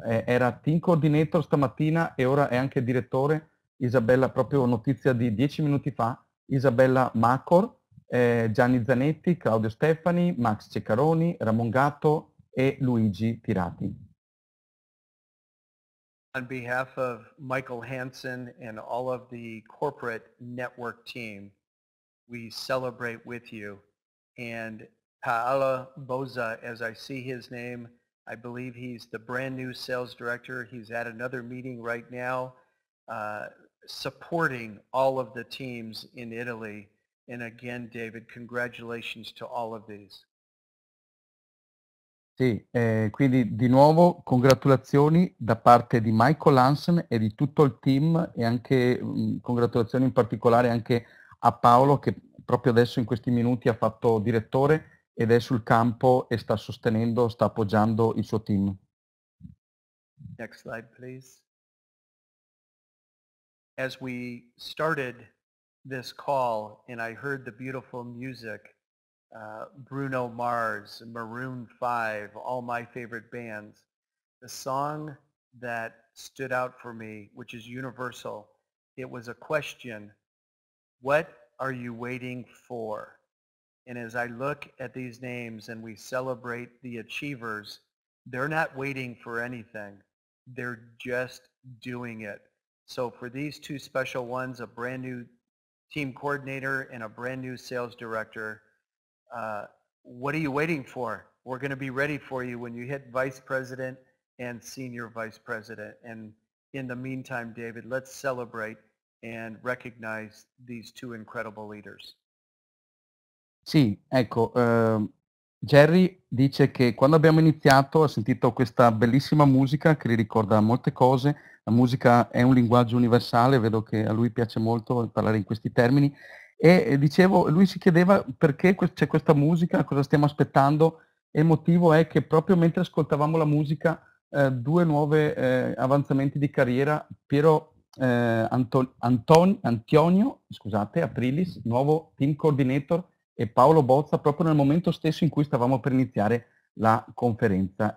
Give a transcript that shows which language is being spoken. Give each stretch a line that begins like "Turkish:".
Italian: era team coordinator stamattina e ora è anche direttore, Isabella, proprio notizia di 10 minuti fa, Isabella Macor, Gianni Zanetti, Claudio Stefani, Max Ceccaroni, Ramon Gatto e Luigi Tirati.
English: On behalf of Michael Hansen and all of the corporate network team, we celebrate with you. And Paola Bozza, as I see his name, I believe he's the brand new sales director. He's at another meeting right now, supporting all of the teams in Italy. And again, David, congratulations to all of these.
Italian: Sì, quindi di nuovo congratulazioni da parte di Michael Hansen e di tutto il team, e anche congratulazioni in particolare anche a Paolo, che proprio adesso in questi minuti ha fatto direttore ed è sul campo e sta sostenendo, sta appoggiando il suo team.
English: Next slide, please. As we started this call and I heard the beautiful music, Bruno Mars, Maroon 5, all my favorite bands, the song that stood out for me, which is universal, it was a question, what are you waiting for? And as I look at these names and we celebrate the achievers, they're not waiting for anything. They're just doing it. So for these two special ones, a brand new team coordinator and a brand new sales director, what are you waiting for? We're going to be ready for you when you hit vice president and senior vice president. And in the meantime, David, let's celebrate and recognize these two incredible leaders.
Italian: Sì, ecco, Jerry dice che quando abbiamo iniziato ha sentito questa bellissima musica che gli ricorda molte cose. La musica è un linguaggio universale, vedo che a lui piace molto parlare in questi termini. E dicevo, lui si chiedeva perché c'è questa musica, cosa stiamo aspettando, e il motivo è che proprio mentre ascoltavamo la musica, due nuove avanzamenti di carriera, Piero Antonio, scusate, Aprilis, nuovo team coordinator, e Paolo Bozza, proprio nel momento stesso in cui stavamo per iniziare la conferenza.